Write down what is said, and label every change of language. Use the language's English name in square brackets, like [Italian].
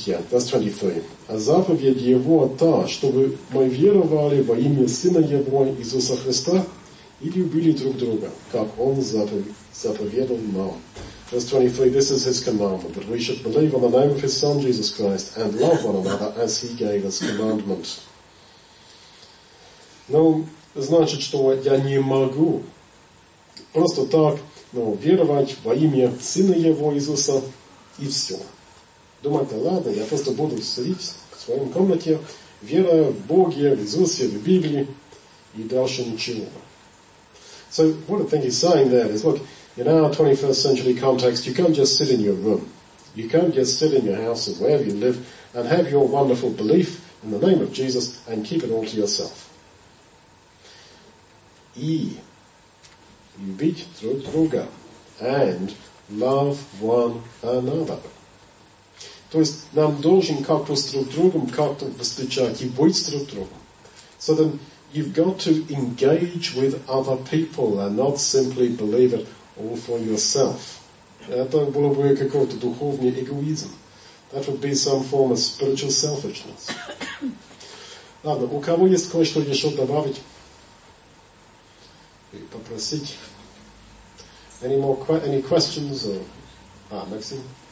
[English] Verse 23. [Russian] А заповедь Его та, чтобы мы веровали во имя Сына Его Иисуса Христа и любили друг друга, как Он заповедал нам. [English] Verse 23. This is His commandment, that we should believe on the name of His Son Jesus Christ and love one another as He gave us commandment. [Russian] Ну, значит, что я не могу просто так, ну, веровать во имя Сына Его Иисуса и все. Думать, да ладно, я просто буду сидеть в своем комнате, веруя в Бога, в Иисусе, в Библии и дальше ничего. [English] So, what I think he's saying there is, look, in our 21st century context, you can't just sit in your room. You can't just sit in your house or wherever you live and have your wonderful belief in the name of Jesus and keep it all to yourself. [Russian] И любить друг друга. [English] And love one another. [Russian] То есть нам должен как-то с друг другом как-то встречать и быть с друг другом. [English] So then you've got to engage with other people and not simply believe it all for yourself. [Russian] Это было бы какой-то духовный эгоизм. [English] That would be some form of spiritual selfishness. [Russian] Ладно, у кого есть кое-что еще добавить? И попросить. [English] Any questions or Максим?